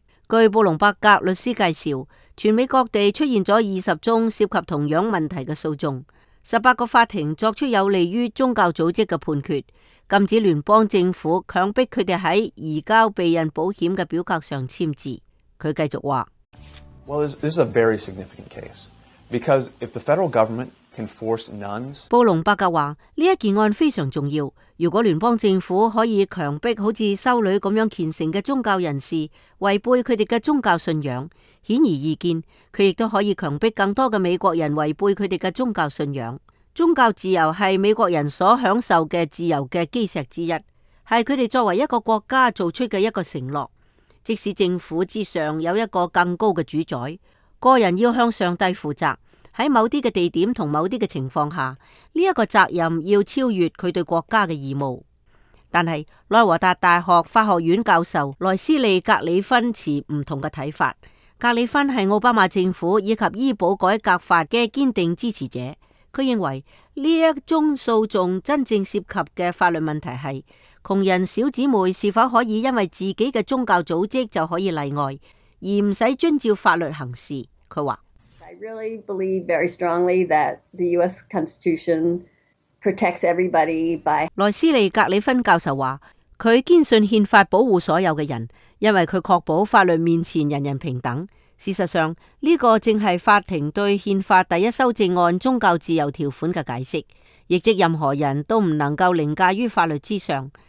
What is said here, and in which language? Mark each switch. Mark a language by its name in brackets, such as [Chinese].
[Chinese] 据布隆伯格律师介绍，全美各地出现了20宗涉及同样问题的诉讼，18个法庭作出有利于宗教组织的判决，禁止联邦政府强迫他们在移交避孕保险的表格上签字。他继续说 [English] Well, this is a very significant case because if the federal government can force nuns. [Chinese] 布隆伯格说，这件案非常重要，如果联邦政府可以强迫好像修女这样虔诚的宗教人士违背他们的宗教信仰，显而易见他亦都可以强迫更多的美国人违背他们的宗教信仰。宗教自由是美国人所享受的自由的基石之一，是他们作为一个国家做出的一个承诺。即使政府之上有一个更高的主宰，个人要向上帝负责，在某些地点和某些情况下，这个责任要超越他对国家的义务。但是内华达大学法学院教授莱斯利·格里芬持不同的看法。格里芬是奥巴马政府以及医保改革法的坚定支持者，他认为这一宗诉讼真正涉及的法律问题是穷人小姊妹是否可以因为自己的宗教组织就可以例外，而不用遵照法律行事。他说 [English] I really believe very strongly that the US Constitution protects everybody by [Chinese] 莱斯利·格里芬教授说，他坚信宪法保护所有的人，因为他确保法律面前人人平等。事实上这个正是法庭对宪法第一修正案宗教自由条款的解释，亦即任何人都不能够凌驾于法律之上。